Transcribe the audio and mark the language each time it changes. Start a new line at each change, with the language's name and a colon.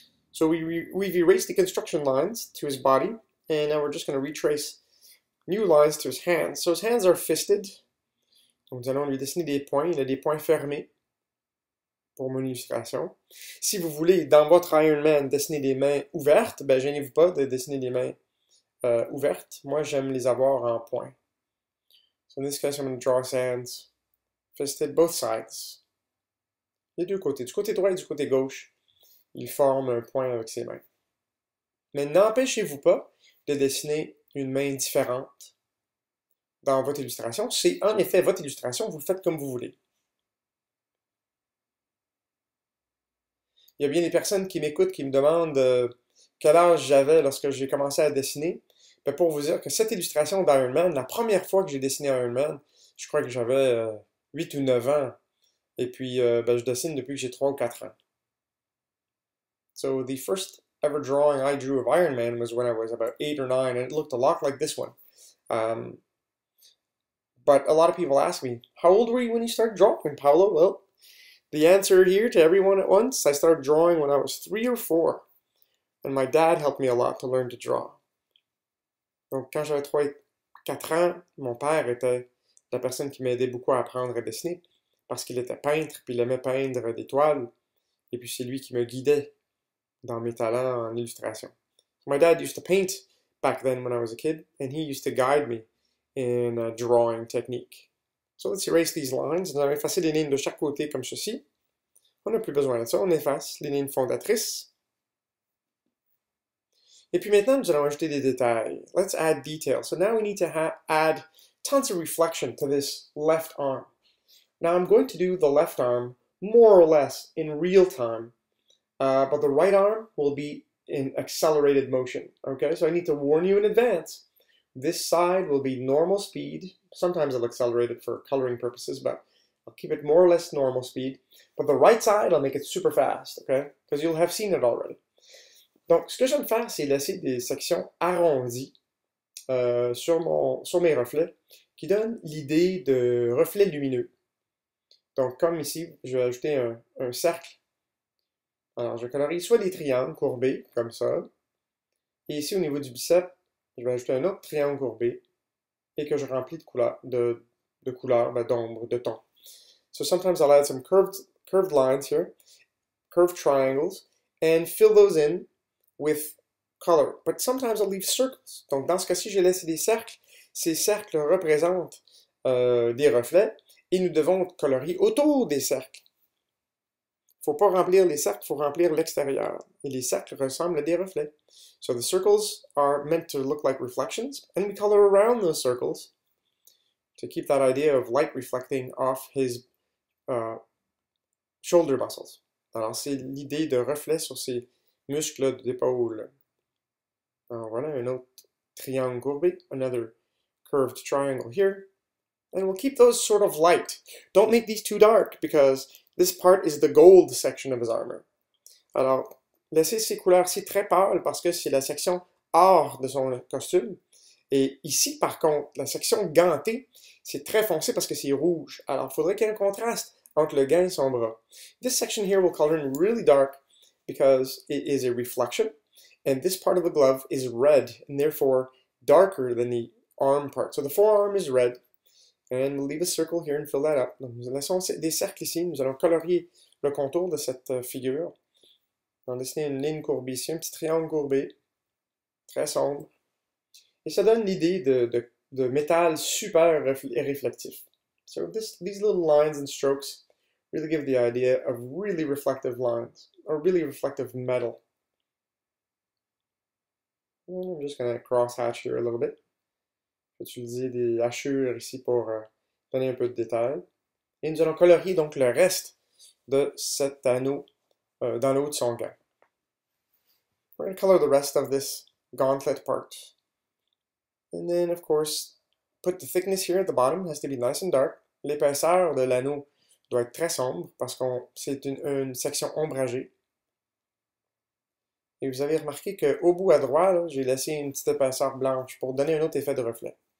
English: So we've erased the construction lines to his body, and now we're just going to retrace new lines to his hands. So his hands are fisted.
French: Donc nous allons lui dessiner des points. Il a des points fermés pour mon illustration. Si vous voulez, dans votre Iron Man, dessiner des mains ouvertes, ben gênez-vous pas de dessiner des mains ouvertes. Moi, j'aime les avoir en points.
English: So in this case, I'm going to draw his hands fisted both sides.
French: Les deux côtés, du côté droit et du côté gauche. Il forme un point avec ses mains. Mais n'empêchez-vous pas de dessiner une main différente dans votre illustration. C'est en effet votre illustration, vous le faites comme vous voulez. Il y a bien des personnes qui m'écoutent, qui me demandent quel âge j'avais lorsque j'ai commencé à dessiner. Mais pour vous dire que cette illustration d'Iron Man, la première fois que j'ai dessiné Iron Man, je crois que j'avais 8 ou 9 ans. Et puis, ben, je dessine depuis que j'ai 3 ou 4 ans.
English: So the first ever drawing I drew of Iron Man was when I was about 8 or 9, and it looked a lot like this one. But a lot of people ask me, how old were you when you started drawing, Paolo? Well, the answer here to everyone at once, I started drawing when I was 3 or 4, and my dad helped me a lot to learn to draw.
French: Donc quand j'avais 3 ou 4 ans, mon père était la personne qui m'aidait beaucoup à apprendre à dessiner, parce qu'il était peintre, puis il aimait peindre des toiles, et puis c'est lui qui me guidait dans mes talents en illustration.
English: My dad used to paint back then when I was a kid, and he used to guide me in a drawing technique. So let's erase these lines.
French: Nous allons effacer les lignes de chaque côté comme ceci. On n'a plus besoin de ça. On efface les lignes fondatrices. Et puis maintenant, nous allons ajouter des détails.
English: Let's add details. So now we need to add tons of reflection to this left arm. Now I'm going to do the left arm more or less in real time. But the right arm will be in accelerated motion, okay? So I need to warn you in advance. This side will be normal speed. Sometimes I'll accelerate it for coloring purposes, but I'll keep it more or less normal speed. But the right side, I'll make it super fast, okay? Because you'll have seen it already.
French: Donc, ce que j'aime faire, c'est laisser des sections arrondies sur mes reflets qui donnent l'idée de reflets lumineux. Donc, comme ici, je vais ajouter un cercle. Alors, je colorie soit des triangles courbés, comme ça. Et ici, au niveau du bicep, je vais ajouter un autre triangle courbé et que je remplis de couleurs, d'ombre, de tons.
English: So sometimes I'll add some curved lines here, curved triangles, and fill those in with color. But sometimes I'll leave circles.
French: Donc, dans ce cas-ci, j'ai laissé des cercles. Ces cercles représentent des reflets et nous devons colorier autour des cercles. Faut pas remplir les cercles, faut remplir l'extérieur. Et les cercles ressemblent à des reflets.
English: So the circles are meant to look like reflections, and we color around those circles to keep that idea of light reflecting off his shoulder muscles.
French: Alors c'est l'idée de reflet sur ses muscles d'épaule. Alors voilà, un autre triangle courbé,
English: another curved triangle here. And we'll keep those sort of light. Don't make these too dark, because this part is the gold section of his armor.
French: Alors, laissez ces couleurs-ci très pâles parce que c'est la section or de son costume. Et ici, par contre, la section gantée, c'est très foncé parce que c'est rouge. Alors, il faudrait qu'il y ait un contraste entre le gant et son bras.
English: This section here will color in really dark because it is a reflection. And this part of the glove is red, and therefore darker than the arm part. So the forearm is red. And we'll leave a circle here and fill that up.
French: Donc, nous laissons des cercles ici. Nous allons colorier le contour de cette figure. On va dessiner une ligne courbée ici, un petit triangle courbé. Très sombre. Et ça donne l'idée de métal super réflectif.
English: So these little lines and strokes really give the idea of really reflective lines. Or really reflective metal. And I'm just going to cross-hatch here a little bit.
French: Utiliser des hachures ici pour donner un peu de détail. Et nous allons colorier donc le reste de cet anneau dans le haut de son gant.
English: We're going to color the rest of this gauntlet part. And then, of course, put the thickness here at the bottom. It has to be nice and dark.
French: L'épaisseur de l'anneau doit être très sombre parce qu'on c'est une section ombragée. Et vous avez remarqué qu'au bout à droite, j'ai laissé une petite épaisseur blanche pour donner un autre effet de reflet.